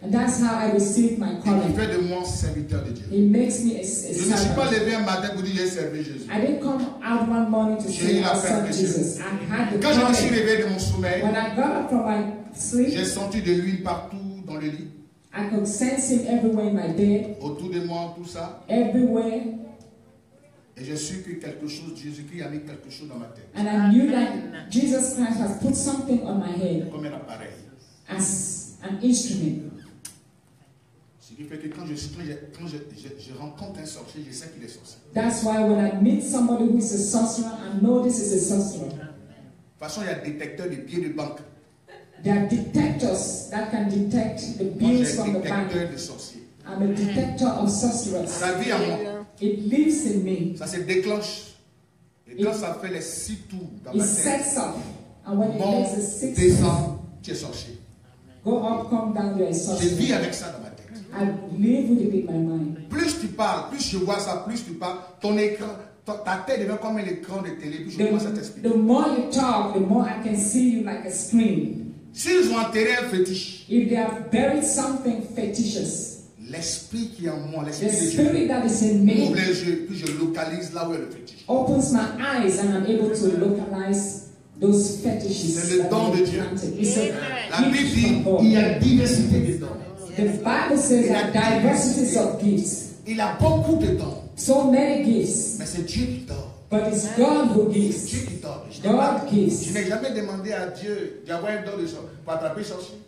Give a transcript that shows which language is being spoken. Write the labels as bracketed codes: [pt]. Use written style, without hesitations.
[en] And that's how I received my calling. [fr] Il fait de moi serviteur de Dieu. [en] He makes me a servant. [fr] Je ne suis pas levé un matin pour dire j'ai servi Jésus. [en] I didn't come out one morning to say I served Jesus. [fr] Quand je me suis levé de mon sommeil, [en] when I got up from my sleep, [fr] j'ai senti de l'huile partout dans le lit. [en] I could sense him everywhere in my bed. [fr] Autour de moi, tout ça. [en] Everywhere. [fr] Et je suis que quelque chose, Jésus-Christ a mis quelque chose dans ma tête. [en] And I knew that Jesus Christ has put something on my head. [fr] Comme un appareil. [en] As an instrument. [fr] Ce qui fait que quand je rencontre un sorcier, je sais qu'il est sorcier. [en] That's why when I meet somebody who is a sorcerer, I know this is a sorcerer. [fr] De toute façon, il y a détecteur de billets de banque. [en] There are detectors that can detect the bills from the bank. [fr] De [en] I'm a detector of sorcerers. [fr] Ça vit en moi. [en] It lives in me. [fr] Ça se déclenche. Et quand ça fait les six tours dans [en] it [fr] ma tête, [en] sets off. And when [fr] bon, [en] it makes the six [fr] descend, tu es sorcier. [en] Go up, come down, you're a sorcerer. [fr] Je vis avec ça dans ma tête. [en] I live with it in my mind. [fr] Plus tu parles, plus je vois ça, plus tu parles, ton écran, ta tête devient comme un écran de télé. Puis je commence à t'expliquer. [en] The more you talk, the more I can see you like a screen. [fr] S'ils ont enterré un fétiche, [en] if they have buried something fetishes, [fr] L'esprit qui est en moi, l'esprit de Dieu, me ouvre les yeux, puis je localise là où est le fétiche. [en] Opens my eyes and I'm able to localize those fetishes. [fr] C'est le don de Dieu. La Bible dit qu'il y a diversité de dons. [en] The Bible says that diversity of gifts. [fr] Il a beaucoup de dons. [en] So many gifts. [fr] Mais c'est Dieu qui donne. [en] But it's God who gives. [fr] Dieu qui donne. [en] God gives. [fr] Je n'ai jamais demandé à Dieu d'avoir un don de sorcier pour attraper un sorcier.